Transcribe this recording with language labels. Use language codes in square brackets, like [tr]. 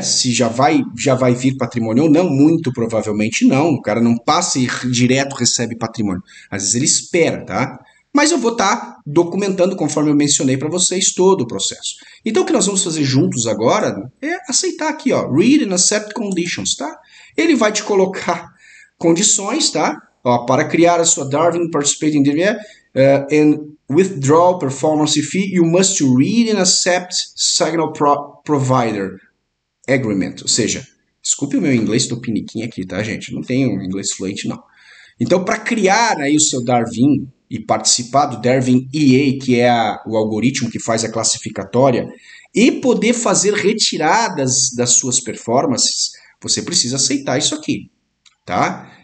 [pt] Se já vai vir patrimônio ou não, muito provavelmente não. O cara não passa e direto recebe patrimônio. Às vezes ele espera, tá? Mas eu vou estar documentando, conforme eu mencionei para vocês, todo o processo. Então o que nós vamos fazer juntos agora é aceitar aqui, ó, [en] read and accept conditions, [pt] tá? Ele vai te colocar condições, tá? Ó, para criar a sua [en] Darwin Participating DVM, and withdraw performance fee, you must read and accept signal provider agreement. [pt] Ou seja, desculpe o meu inglês, estou piniquinho aqui, tá, gente? Não tenho inglês fluente, não. Então, para criar aí o seu Darwin e participar do Darwin EA, que é o algoritmo que faz a classificatória, e poder fazer retiradas das suas performances, você precisa aceitar isso aqui, tá?